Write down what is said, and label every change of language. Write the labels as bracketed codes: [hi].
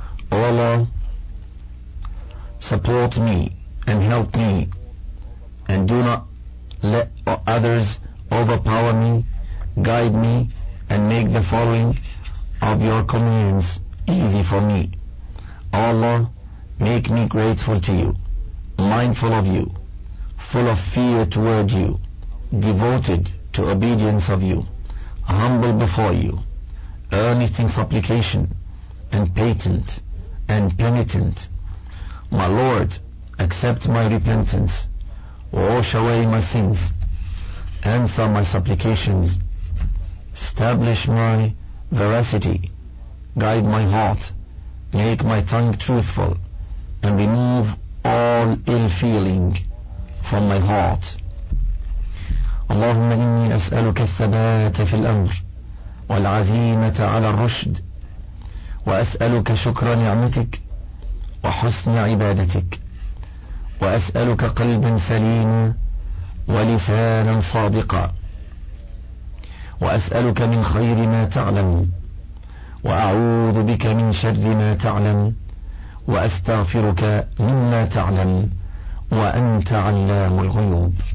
[en] O Allah, support me and help me, and do not let others overpower me. Guide me and make the following of your commands easy for me. O Allah, make me grateful to you, mindful of you, full of fear toward you, devoted to obedience of you, humble before you, earnest in supplication and patient and penitent. My Lord, accept my repentance, wash away my sins, answer my supplications, establish my veracity, guide my heart, make my tongue truthful, and remove all ill feeling from my heart. [ar] اللهم إني أسألك الثبات في الأمر والعزيمة على الرشد وأسألك شكر نعمتك وحسن عبادتك وأسألك قلبا سليما ولسانا صادقا وأسألك من خير ما تعلم وأعوذ بك من شر ما تعلم وأستغفرك مما تعلم وأنت علام الغيوب.